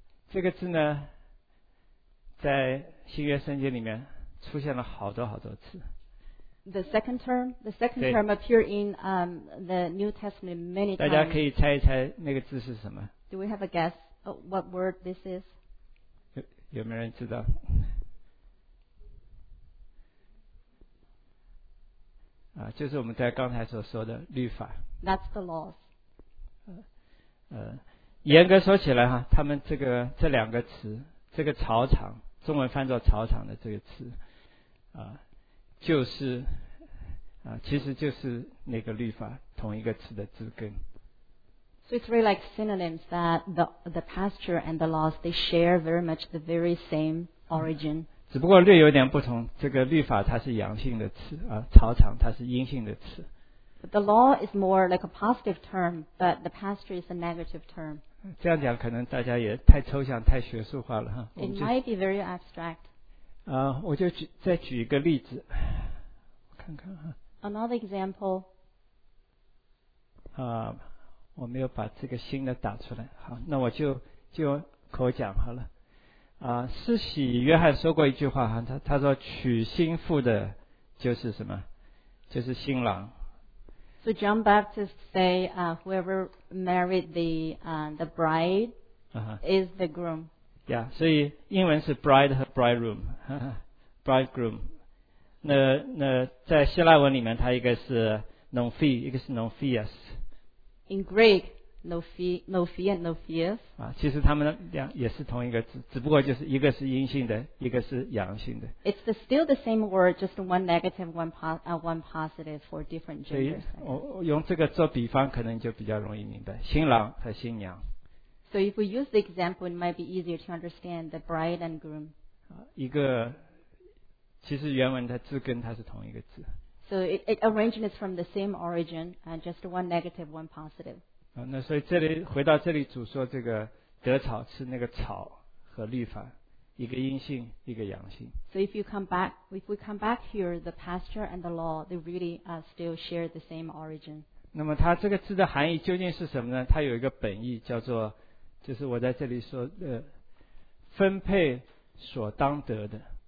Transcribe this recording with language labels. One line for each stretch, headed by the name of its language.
Chinese: 这个字呢，在新约圣经里面出现了好多好多次。
English: The second term appeared in the New Testament many times.
Chinese: 大家可以猜一猜那个字是什么
English: ？Do we have a guess what word this is?
Chinese: 有没有人知道？就是我们在刚才所说的律法。
English: That's the laws.
Chinese: 严格说起来哈，他们这两个词，这个草场，中文翻作草场的这个词，其实就是那个律法同一个词的字根。
English: So it's really like synonyms that the pasture and the laws they share very much the very same origin.
Chinese: 只不过略有点不同，这个律法它是阳性的词，草场它是阴性的词。
English: But the law is more like a positive term, but the pasture is a negative term.
Chinese: 这样讲可能大家也太抽象、太学术化了哈。
English: It might be very abstract.
Chinese: 我就再举一个例子，看看哈。
English: Another example.
Chinese: 我没有把这个新的打出来。好，那我就口讲好了。施洗约翰说过一句话，他说娶新妇的就是什么？就是新郎。
English: So John Baptist say, whoever married the bride is the groom.
Chinese: Yeah, 所以英文是 bride 和 bridegroom, bridegroom. 那在希腊文里面，它一个是 nomphi, 一个是 nomphias.
English: In Greek, nomphi and nomphias.
Chinese: 其实他们两也是同一个字，只不过就是一个是阴性的，一个是阳性的。
English: It's still the same word, just one negative, one positive for different genders.
Chinese: 所以我用这个做比方，可能就比较容易明白新郎和新娘。
English: So if we use the example, it might be easier to understand the bride and groom.
Chinese: 一个，其实原文的字根它是同一个字。
English: So it arrangement is from the same origin, and just one negative, one positive.
Chinese: 那所以这里回到这里，主说这个得草是那个草和律法，一个阴性，一个阳性。
English: So if we come back here, the pasture and the law, they really still share the same origin.
Chinese: 那么它这个字的含义究竟是什么呢？它有一个本意叫做。就是我在这里说的分配所当得的。